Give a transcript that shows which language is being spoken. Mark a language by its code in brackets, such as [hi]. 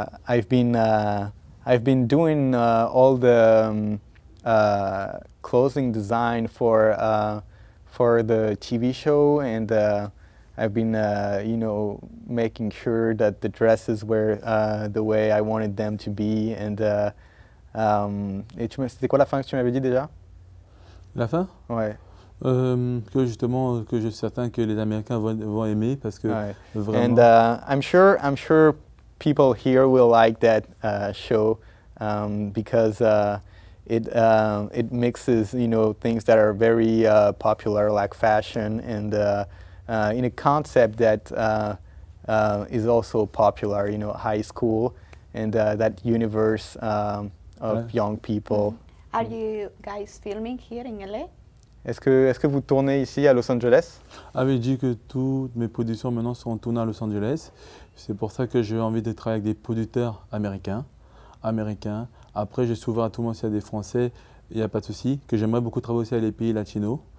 [en] I've been doing all the clothing design for the TV show, and I've been, you know, making sure that the dresses were the way I wanted them to be, and [fr] c'était quoi la fin que tu m'avais dit déjà? La fin? Ouais. Que justement, que je suis certain que les Américains vont aimer, parce que ouais. Vraiment. [en] And I'm sure people here will like that show, because it mixes, you know, things that are very popular, like fashion and in a concept that is also popular, you know, high school and that universe of young people. Mm-hmm. Are you guys filming here in LA? [fr] Est-ce que vous tournez ici à Los Angeles? J'ai dit que toutes mes productions maintenant sont tournées à Los Angeles. C'est pour ça que j'ai envie de travailler avec des producteurs américains. Après, j'ai souvent à tout le monde, s'il y a des Français, il n'y a pas de souci, que j'aimerais beaucoup travailler aussi avec les pays latinos.